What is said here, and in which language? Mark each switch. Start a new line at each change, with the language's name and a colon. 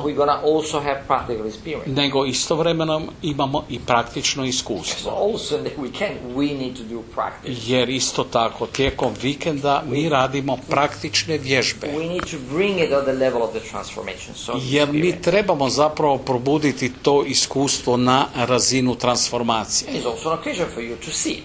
English: but we're gonna also have practical experience.
Croatian: Nego istovremeno imamo i praktično iskustvo.
English: So also in the weekend, we need to do practice.
Croatian: Jer isto tako, tijekom vikenda mi radimo praktične vježbe.
English: We need to bring it at the level of the transformation. So
Croatian: jer mi trebamo zapravo probuditi to iskustvo na razinu transformacije.
English: It's also an occasion for you to see.